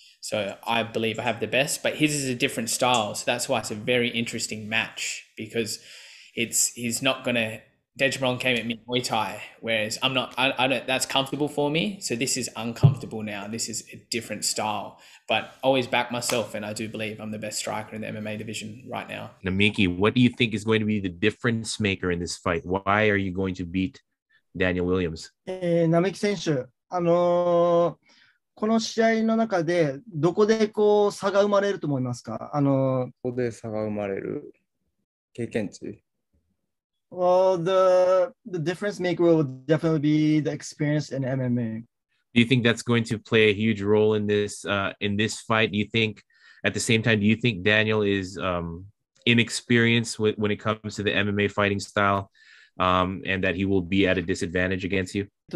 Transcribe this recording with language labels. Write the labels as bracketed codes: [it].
[en] So I believe I have the best, but his is a different style. So that's why it's a very interesting match, because he's not going to, Dejmaron came at me Muay Thai, whereas I don't, that's comfortable for me. So this is uncomfortable now. This is a different style, but always back myself. And I do believe I'm the best striker in the MMA division right now. Namiki, what do you think is going to be the difference maker in this fight? Why are you going to beat Daniel Williams? [ja] Namiki選手, この試合の中でどこでこう差が生まれると思いますか？ここで差が生まれる経験値。 [en] Well, the difference maker will definitely be the experience in MMA. Do you think that's going to play a huge role in this fight? Do you think at the same time, do you think Daniel is inexperienced when it comes to the MMA fighting style and that he will be at a disadvantage against you?